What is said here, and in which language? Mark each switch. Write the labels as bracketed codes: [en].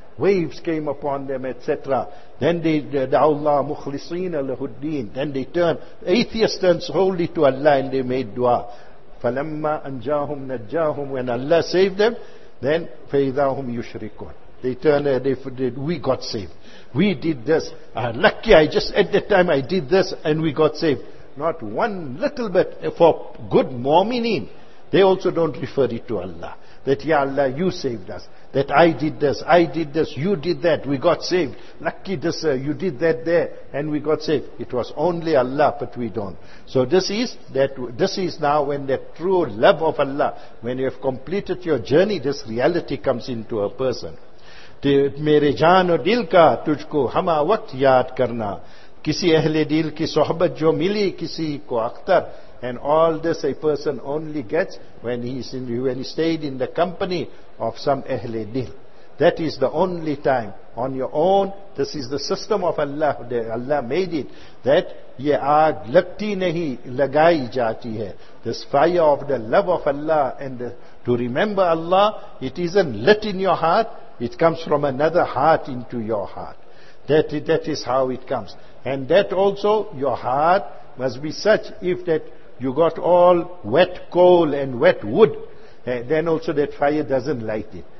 [en] Waves came upon them, etc. Then they [ar] دَعُوا اللَّهَ مُخْلِصِينَ لَهُ الدِّينَ. [en] Then they turned, atheists turned wholly to Allah and they made dua. [ar] فَلَمَّا أَنْجَاهُمْ نَجَّاهُمْ. [en] When Allah saved them, then [ar] فَإِذَاهُمْ يُشْرِكُونَ. [en] They turn, we got saved. We did this. Lucky I just, at that time I did this and we got saved. Not one little bit for good mu'mineen. They also don't refer it to Allah. That, Ya Allah, you saved us. That I did this, you did that, we got saved. Lucky this, you did that there and we got saved. It was only Allah, but we don't. So this is now when the true love of Allah, when you have completed your journey, this reality comes into a person. [ur] میرے جان و دل کا تجھ کو ہما وقت یاد کرنا کسی اہل دل کی صحبت جو ملی کسی کو Akhtar. [en] And all this a person only gets when he stayed in the company of some [ur] اہل دل. [en] That is the only time on your own. This is the system of Allah. Allah made it that [ur] یہ آگ لگتی نہیں لگائی جاتی ہے. [en] This fire of the love of Allah and to remember Allah, it isn't lit in your heart. It comes from another heart into your heart. That is how it comes. And that also, your heart must be such, if that you got all wet coal and wet wood, then also that fire doesn't light it.